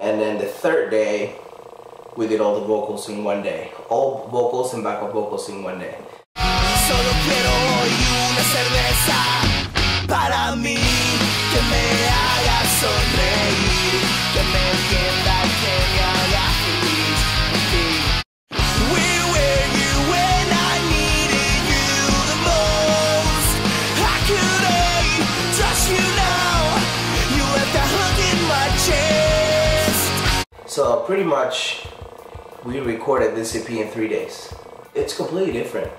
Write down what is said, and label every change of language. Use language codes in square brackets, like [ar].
[en] And then the third day, we did all the vocals in one day. All vocals and backup vocals in one day. [es] Solo quiero hoy una cerveza. Para mí, que me haga sonreír, que me entienda, que me haga feliz. [en] Where were you when I needed you the most? How could I trust you now? You left a hook in my chest. So pretty much, we recorded this EP in 3 days. It's completely different.